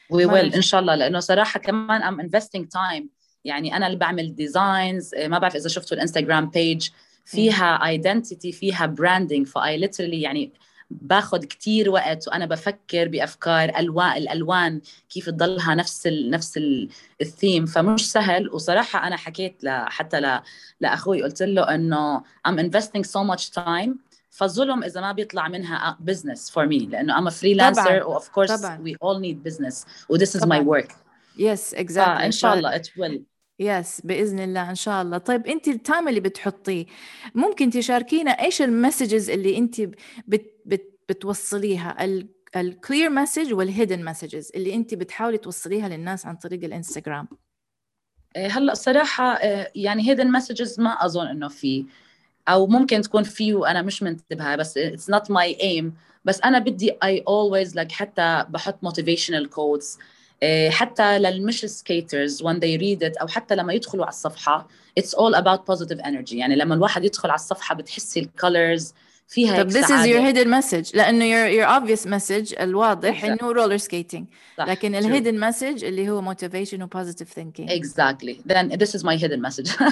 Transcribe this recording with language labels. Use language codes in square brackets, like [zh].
[en] We will [ar] ان شاء الله، لانه صراحة كمان [en] I'm investing time. [ar] يعني انا اللي بعمل ديزاينز، ما بعرف اذا شفتوا الانستغرام بيج فيها identity، فيها branding، فأي literally يعني باخد كتير وقت وأنا بفكر بأفكار ألوان، الألوان كيف تضلها نفس الثيم، فمش سهل. وصراحة أنا حكيت حتى لأخوي، قلت له أنه [en] I'm investing so much time، [ar] فظلم إذا ما بيطلع منها [en] business for me، [ar] لأنه [en] I'm a freelancer [ar] طبعًا. [en] Of course [ar] طبعًا. [en] We all need business وthis is my work. Yes exactly. [ar] إن شاء الله [en] it will. [ar] Yes بإذن الله إن شاء الله. طيب أنت التايم اللي بتحطيه، ممكن تشاركينا إيش المسجز اللي أنت بتوصليها، الclear message والhidden messages اللي أنت بتحاولي توصليها للناس عن طريق الإنستغرام؟ هلأ صراحة يعني hidden messages ما أظن أنه فيه، أو ممكن تكون فيه وأنا مش منتبهها، بس [en] it's not my aim. [ar] بس أنا بدي [en] I always like [ar] حتى بحط [en] motivational quotes [ar] حتى للمش سكيترز [en] when they read it، [ar] أو حتى لما يدخلوا على الصفحة [en] it's all about positive energy. [ar] يعني لما الواحد يدخل على الصفحة بتحسي الكولرز فيها. [en] طب this is your hidden message، لأنه your obvious message [ar] الواضح إنه [en] roller skating، لكن ال hidden message [ar] اللي هو [en] motivation and positive thinking. Exactly. Then this is my hidden message.